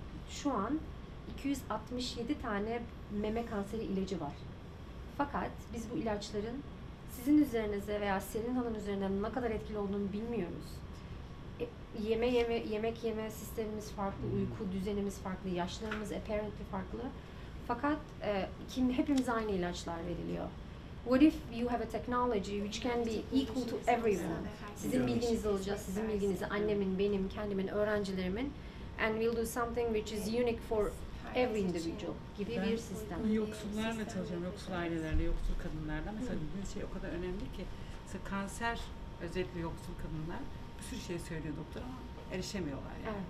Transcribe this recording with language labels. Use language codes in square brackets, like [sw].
[tr] Şu an 267 tane meme kanseri ilacı var. Fakat biz bu ilaçların sizin üzerinize veya senin hanım üzerinden ne kadar etkili olduğunu bilmiyoruz. Yemek yeme sistemimiz farklı, uyku düzenimiz farklı, yaşlarımız apparently farklı. Fakat hepimize aynı ilaçlar veriliyor. [en] What if you have a technology which can be equal to everyone? [tr] Sizin bilginizi alacağız, sizin bilginizi, annemin, benim, kendimin, öğrencilerimin. [en] And we'll do something which is unique for every individual [tr] gibi bir sistem. Ben yoksullarla çalışıyorum, yoksul ailelerle, yoksul kadınlarla. Mesela bir şey o kadar önemli ki, mesela kanser, özellikle yoksul kadınlar, bir sürü şey söylüyor doktor ama erişemiyorlar yani.